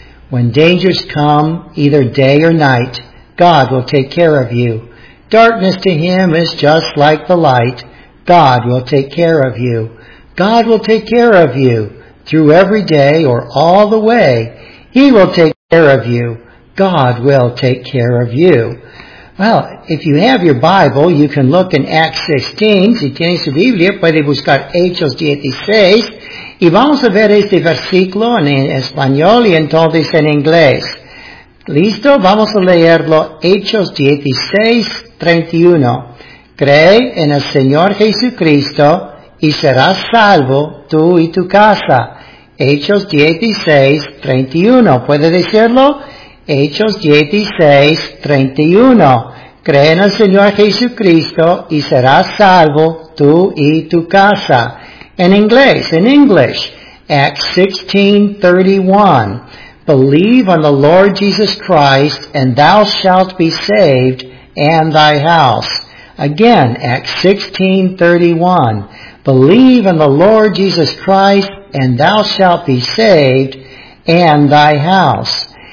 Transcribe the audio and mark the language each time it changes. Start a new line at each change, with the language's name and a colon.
English: When dangers come, either day or night, God will take care of you. Darkness to Him is just like the light. God will take care of you. God will take care of you through every day or all the way. He will take care of you. God will take care of you. Well, if you have your Bible, you can look in Acts 16,
Spanish: si tienes su Biblia, puede buscar Hechos 16, y vamos a ver este versículo en español y entonces en inglés. ¿Listo? Vamos a leerlo, Hechos 16:31. Cree en el Señor Jesucristo y serás salvo tú y tu casa. Hechos 16:31. ¿Puede decirlo? Hechos 16:31. Cree en el Señor Jesucristo y serás salvo tú y tu casa.
English: In English, Acts 16:31. Believe on the Lord Jesus Christ and thou shalt be saved and thy house. Again, Acts 16:31. Believe on the Lord Jesus Christ and thou shalt be saved, and thy house.